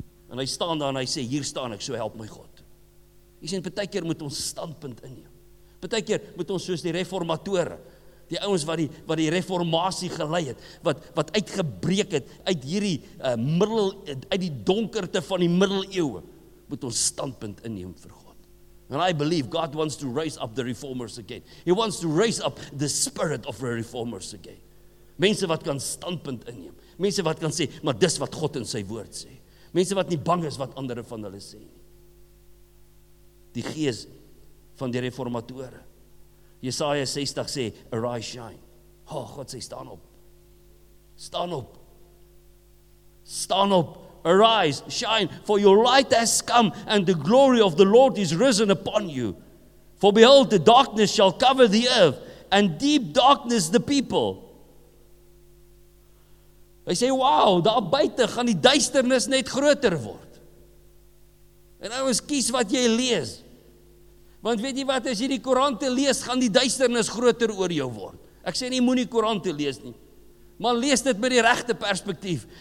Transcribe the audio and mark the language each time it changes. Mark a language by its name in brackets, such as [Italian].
[Afrikaans] En hy staan daar en hy sê, hier staan ek, so help my God. Hy sê, baie keer moet ons standpunt inneem. Baie keer moet ons soos die reformatore, die ouens wat die reformatie gelei het, wat uitgebreek het, uit hierdie uit die donkerte van die middeleeuwe, moet ons standpunt inneem vir God. [English] And I believe God wants to raise up the reformers again. He wants to raise up the spirit of the reformers again. [Afrikaans] Mense wat kan standpunt inneem. Mense wat kan sê, maar dis wat God in sy woord sê. Mense wat nie bang is wat andere van hulle sê. Die gees van die reformatore. Jesaja 60 sê, [English] arise shine. [Afrikaans] Oh God sê, staan op. Staan op. Staan op. [English] Arise, shine, for your light has come and the glory of the Lord is risen upon you. For behold, the darkness shall cover the earth and deep darkness the people. [Afrikaans] Hy sê, wow, daar buiten gaan die duisternis net groter word. En nou is kies wat jy lees. Want weet jy wat, as jy die korante lees, gaan die duisternis groter oor jou word. Ek sê nie, moet nie korante lees nie. Maar lees dit met die rechte perspektief.